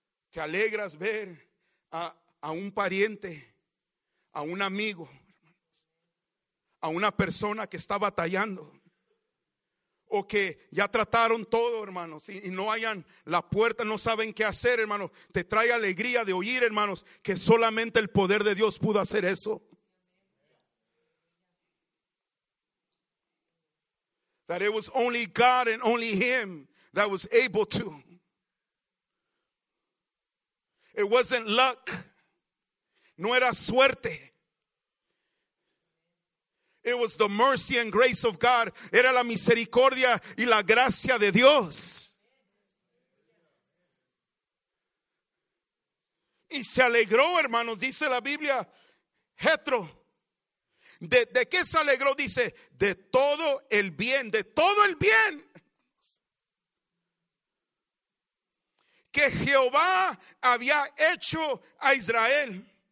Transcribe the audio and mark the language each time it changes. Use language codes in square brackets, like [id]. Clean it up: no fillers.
[es] Te alegras ver a un pariente, a un amigo, hermanos, a una persona que está batallando, o que ya trataron todo, hermanos, y no hayan la puerta, no saben qué hacer, hermanos, te trae alegría de oír, hermanos, que solamente el poder de Dios pudo hacer eso. [en] That it was only God and only Him that was able to. It wasn't luck. No era suerte. It was the mercy and grace of God. [es] Era la misericordia y la gracia de Dios. Y se alegró, hermanos, dice la Biblia, Jetro. ¿De qué se alegró? Dice, de todo el bien, de todo el bien que Jehová había hecho a Israel.